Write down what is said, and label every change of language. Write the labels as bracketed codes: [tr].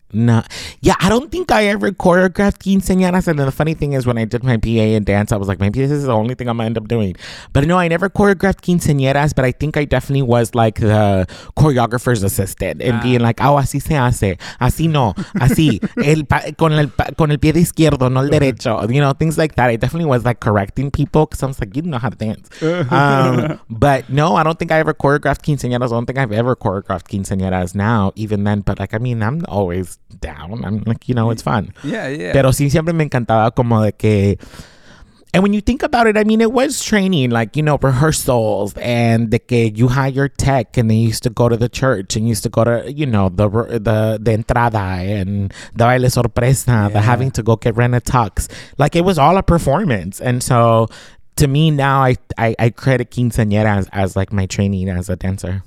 [en] No. Yeah, I don't think I ever choreographed quinceañeras. And then the funny thing is, when I did my BA in dance, I was like, maybe this is the only thing I'm going to end up doing. But no, I never choreographed quinceañeras, but I think I definitely was like the choreographer's assistant and being like, oh, [es] así se hace. Así no. Así. con el pie de izquierdo, no el derecho. [en] You know, things like that. I definitely was like correcting people because I was like, you know how to dance. but no, I don't think I ever choreographed quinceañeras. I don't think I've ever choreographed quinceañeras now, even then. But like, I mean, I'm always down. I'm like, you know, it's fun. Yeah. [es] Pero sí, siempre me encantaba como de que... [en] And when you think about it, I mean, it was training, like, you know, rehearsals and de que you had your tech and they used to go to the church and used to go to, you know, the entrada and the baile sorpresa, the having to go get rent a tux. Like, it was all a performance. And so, to me now, I credit quinceañera as like my training as a dancer.